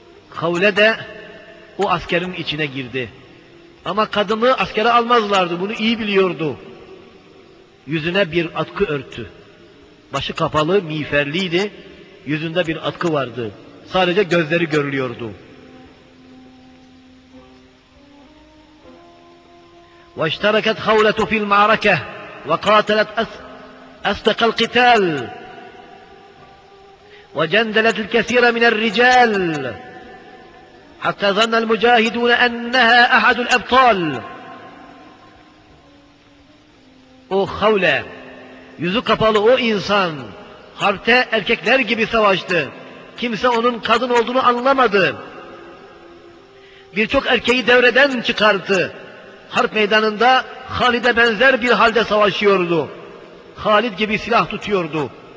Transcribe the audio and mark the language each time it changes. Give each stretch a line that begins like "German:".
Turkish: Havle de o askerin içine girdi. Ama kadını askere almazlardı, bunu iyi biliyordu. Yüzüne bir atkı örttü. Başı kapalı, miğferliydi. Yüzünde bir atkı vardı. Sadece gözleri görülüyordu.
Arabic: وَاِشْتَرَكَتْ خَوْلَةُ فِي الْمَعْرَكَةِ وَقَاتَلَتْ أَسْدَقَ الْقِتَالِ وَجَنْدَلَتْ الْكَثِيرَ مِنَ الرِّجَالِ حتى ظن المجاهدون أنها أحد الأبطال.
Turkish: O Havle, yüzü kapalı o insan, harpte erkekler gibi savaştı. Kimse onun kadın olduğunu anlamadı. Birçok erkeği devreden çıkarttı. Harp meydanında Halid'e benzer bir halde savaşıyordu. Halid gibi silah tutuyordu.